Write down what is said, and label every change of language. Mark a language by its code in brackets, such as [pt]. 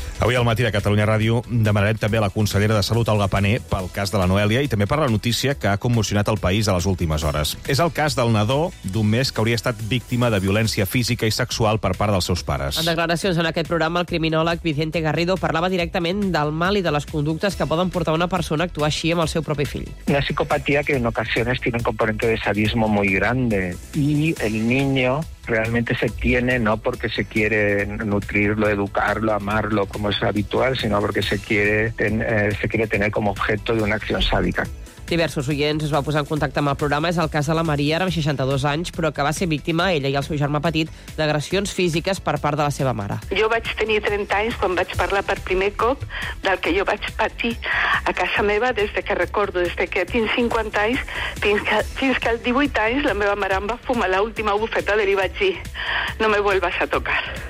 [ca] Avui al matí de Catalunya Ràdio demanarem també a la consellera de Salut, Olga Pané, pel cas de la Noèlia i també per la notícia que ha commocionat el país a les últimes hores. És el cas del nadó d'un mes que hauria estat víctima de violència física i sexual per part dels seus pares. En declaracions en aquest programa, el criminòleg Vicente Garrido parlava directament del mal i de les conductes que poden portar una persona a actuar així amb el seu propi fill. [es] Una psicopatia que en ocasiones tiene un componente de sadismo muy grande y el niño... realmente se tiene no porque se quiere nutrirlo, educarlo, amarlo como es habitual, sino porque se quiere tener como objeto de una acción sádica. [ca] Diversos oients es va posar en contacte amb el programa. És el cas de la Maria, ara amb 62 anys, però que va ser víctima, ella i el seu germà petit, d'agressions físiques per part de la seva mare. Jo vaig tenir 30 anys quan vaig parlar per primer cop del que jo vaig patir a casa meva des de que recordo, des de que tinc 50 anys, fins que als 18 anys la meva mare em va fumar l'última bufeta i li vaig dir, [es] no me vuelvas a tocar.